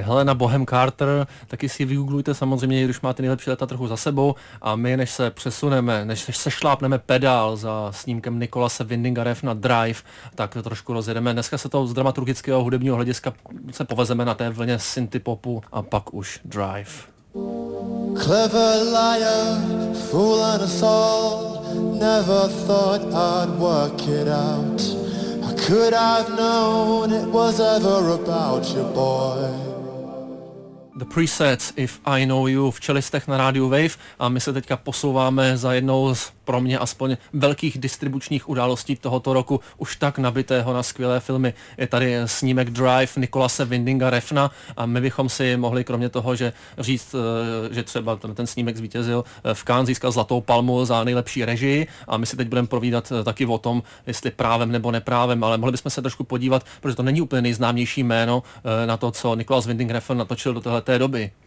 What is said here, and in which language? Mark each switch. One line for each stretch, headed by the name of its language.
Czech: Helena Bonham Carter, taky si vygooglujte samozřejmě, když máte nejlepší leta trochu za sebou, a my, než se přesuneme, než se šlápneme pedál za snímkem Nicholase Windinga Refna Drive, tak trošku rozjedeme. Dneska se to z dramaturgického hudebního hlediska se povezeme na té vlně synthpopu a pak už Drive.
English: Clever liar, fool and a soul, never thought I'd work it out. Could I've known it was ever about your boy?
Czech: The Presets, If I Know You, v čelistech na rádiu Wave, a my se teďka posouváme za jednou z pro mě aspoň velkých distribučních událostí tohoto roku, už tak nabitého na skvělé filmy. Je tady snímek Drive Nicholase Windinga Refna a my bychom si mohli kromě toho, že říct, že třeba ten snímek zvítězil v Cannes, získal Zlatou palmu za nejlepší režii, a my si teď budeme povídat taky o tom, jestli právem nebo neprávem, ale mohli bychom se trošku podívat, protože to není úplně nejznámější jméno, na to, co Nicholas Winding Refn natočil do téhleté doby.